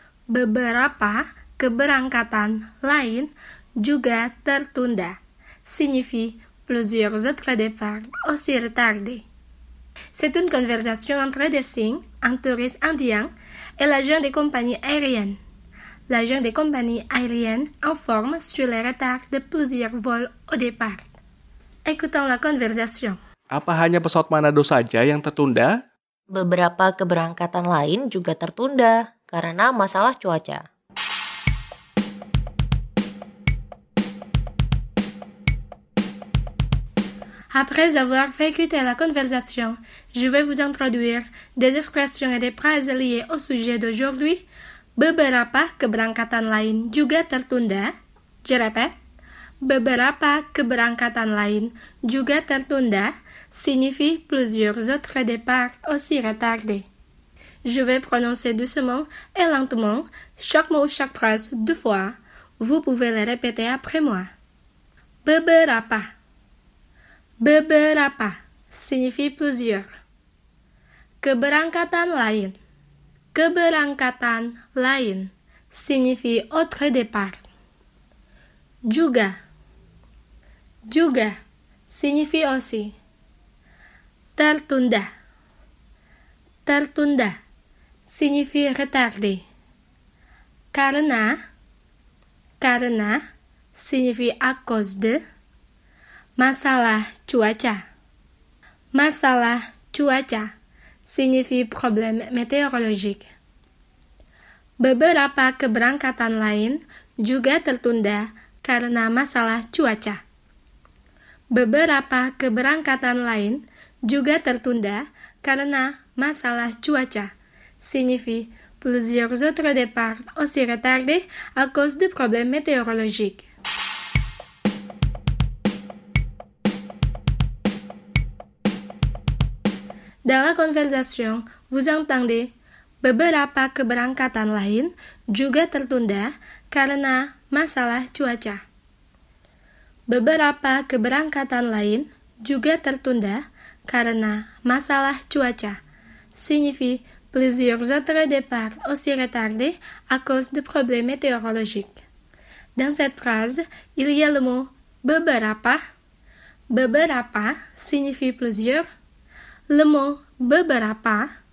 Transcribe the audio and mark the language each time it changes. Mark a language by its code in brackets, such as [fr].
[id] Beberapa keberangkatan lain juga tertunda [fr] signifie plusieurs autres départs aussi retardés. C'est une conversation entre des signes, un touriste indien et l'agent des compagnies aériennes. L'agent des compagnies aériennes informe sur les retards de plusieurs vols au départ. Écoutons la conversation. [id] Apa hanya pesawat Manado saja yang tertunda? Beberapa keberangkatan lain juga tertunda karena masalah cuaca. [fr] Après avoir écouté la conversation, je vais vous introduire des expressions et des phrases liées au sujet d'aujourd'hui. [id] Beberapa keberangkatan lain juga tertunda. [fr] Je répète. [id] Beberapa keberangkatan lain juga tertunda [fr] signifie plusieurs autres départs aussi retardés. Je vais prononcer doucement et lentement chaque mot ou chaque phrase deux fois. Vous pouvez le répéter après moi. Beberapa. Beberapa signifie plusieurs. [id] Keberangkatan lain. Keberangkatan lain [fr] signifie autre départ. [id] Juga. [fr] Juga signifie aussi. Tertunda. Tertunda signifie retardé. Karena. Karena signifie à cause de. [id] Masalah cuaca. Masalah cuaca [fr] signifie problème météorologique. [id] Beberapa keberangkatan lain juga tertunda karena masalah cuaca. Beberapa keberangkatan lain juga tertunda karena masalah cuaca. [fr] Signifie plusieurs autres départs aussi retardés à cause de problèmes météorologiques. Dans la conversation, vous entendez [id] beberapa keberangkatan lain juga tertunda karena masalah cuaca. Beberapa keberangkatan lain juga tertunda karena masalah cuaca. [fr] Signifie plusieurs autres départs aussi retardés à cause de problèmes météorologiques. Dans cette phrase, il y a le mot beberapa. Beberapa signifie plusieurs. Le mot beberapa.